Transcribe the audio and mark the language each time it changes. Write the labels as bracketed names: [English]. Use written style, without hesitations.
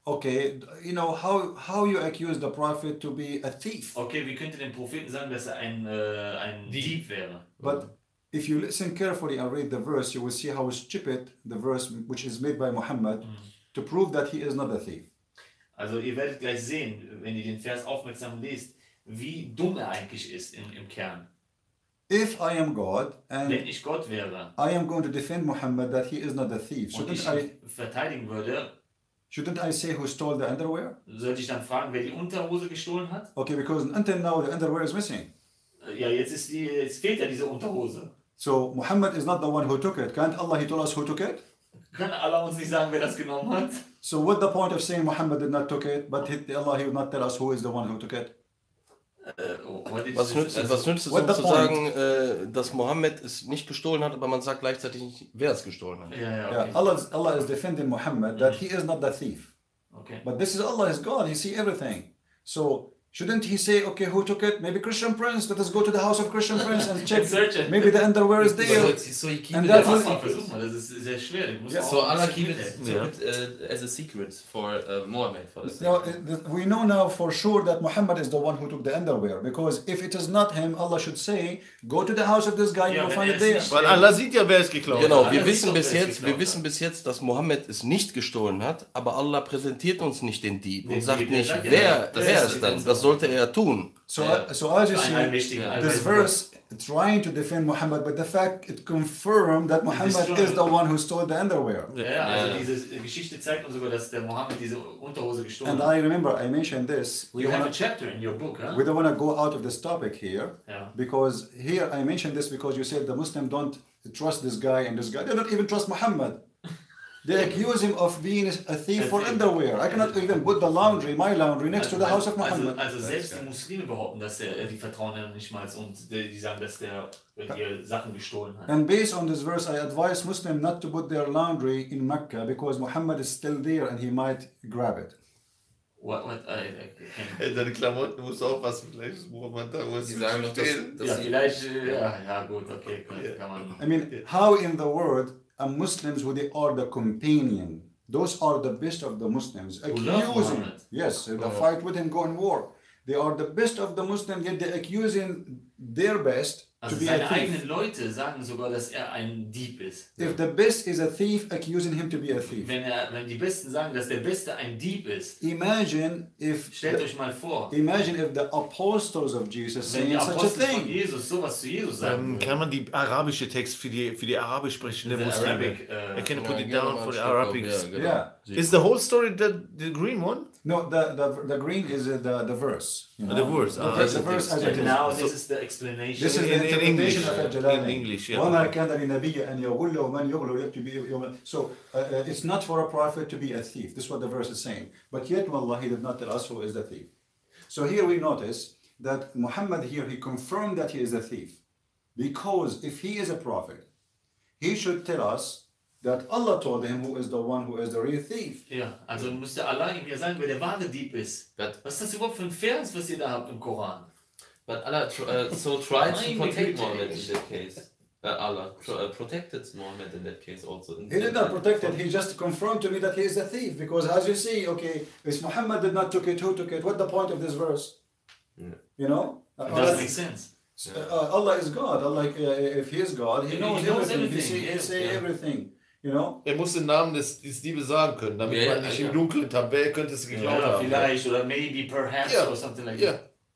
[English] okay, you know, how you accuse the prophet to be a thief? [German] Okay, wie könnte dem Propheten sagen, dass er ein Dieb wäre? [English] But if you listen carefully and read the verse, you will see how stupid the verse, which is made by Muhammad, to prove that he is not a thief. [German] Also ihr werdet gleich sehen, wenn ihr den Vers aufmerksam lest, wie dumm er eigentlich ist im Kern. [English] If I am God and [German] wenn ich Gott wäre, [English] I am going to defend Muhammad that he is not a thief, shouldn't I say who stole the underwear? [German] Sollte ich dann fragen, wer die Unterhose gestohlen hat? [English] Okay, because until now the underwear is missing. [German] Ja, jetzt fehlt ja diese Unterhose. [English] So Muhammad is not the one who took it. Can't Allah, he told us who took it? [German] Kann Allah uns nicht sagen, wer das genommen hat? [English] So what the point of saying Muhammad did not took it, but Allah, he would not tell us who is the one who took it? [German] Was nützt es, um zu sagen, dass Mohammed es nicht gestohlen hat, aber man sagt gleichzeitig nicht, wer es gestohlen hat? Ja, okay. [English] Allah is defending Mohammed that he is not the thief. Okay. But this is Allah is God, he sees everything. So shouldn't he say, okay, who took it? Maybe Christian Prince, let us go to the house of Christian Prince and check. Maybe the underwear is there. So he keeps it. [German] Das ist sehr schwer. [English] Yeah. So Allah keeps it as a secret for Mohammed. We know now for sure that Muhammad is the one who took the underwear. Because if it is not him, Allah should say, go to the house of this guy, you will find it there. [German] Weil Allah sieht ja, wer es geklaut hat. Genau, wir wissen bis jetzt, dass Mohammed es nicht gestohlen hat, aber Allah präsentiert uns nicht den Dieb und sagt nicht, wer es dann. Das sollte er tun. [English] So as you see, this verse trying to defend Muhammad, but the fact it confirmed that Muhammad is the one who stole the underwear. [German] Ja, also diese Geschichte zeigt uns sogar, dass der Mohammed diese Unterhose gestohlen [English] and [German] hat. [English] And I remember I mentioned this. You have a chapter in your book, huh? We don't want to go out of this topic here, because here I mentioned this because you said the Muslim don't trust this guy and this guy. They don't even trust Muhammad. They accuse him of being a thief for underwear. I cannot even put the laundry, my laundry, next to the house of Muhammad. [German] Also selbst die Muslime behaupten, dass er die vertrauen nicht mal und die sagen, dass der ihre Sachen gestohlen hat. [English] And based on this verse, I advise Muslim not to put their laundry in Mecca because Muhammad is still there and he might grab it. What? [German] Deine Klamotten musst du aufpassen, vielleicht ist Muhammad da, wo es nicht stehen. Ja, gut, okay, kann man. [English] I mean, how in the world and Muslims, who they are the companion. Those are the best of the Muslims. Accusing, yes, the fight with him, go in war. They are the best of the Muslims, yet they're accusing their best to be a thief. [German] Seine eigenen Leute sagen sogar, dass er ein Dieb ist. [English] If the best is a thief, accusing him to be a thief. [German] Wenn die Besten sagen, dass der Beste ein Dieb ist. [English] Imagine if. [German] Stellt euch mal vor. [English] Imagine if the apostles of Jesus saying such a thing. [German] Wenn die Apostel von Jesus sowas zu Jesus sagen. Kann man die arabische Text für die arabisch sprechende Muslime? [English] I can put it down for the Arabic. Yeah. Is the whole story the green one? No, the green is the verse. You know? The verse. The verse. And now this is the explanation. This is the interpretation of Al-Jalalain. In English, yeah. [Arabic] وَمَا كَانَ لِنَبِيٍّ أَنْ يَغُلَّ وَمَنْ يَغْلُ يَكْتُبِي يَوْمَ [English] So, it's not for a prophet to be a thief. This is what the verse is saying. But yet, wallah, he did not tell us who is the thief. So here we notice that Muhammad here, he confirmed that he is a thief. Because if he is a prophet, he should tell us that Allah told him who is the one who is the real thief. [German] Ja, also müsste Allah ihm ja sagen, wer der wahre Dieb ist. [English] But, [German] was ist das überhaupt für ein Vers, was ihr da habt im Koran? [English] But Allah so tried to protect Mohammed in that case. Allah protected Mohammed in that case also. He did not protect it. He just confirmed to me that he is a thief. Because as you see, okay, if Muhammad did not took it, who took it? What the point of this verse? Yeah. You know? It doesn't make sense. Yeah. Allah is God. Allah, if he is God, he knows everything. You know? [German] Er muss den Namen des Diebes sagen können, damit man nicht im Dunkeln tabell könnte es geglaubt haben. Vielleicht oder [English] maybe, perhaps or something like that.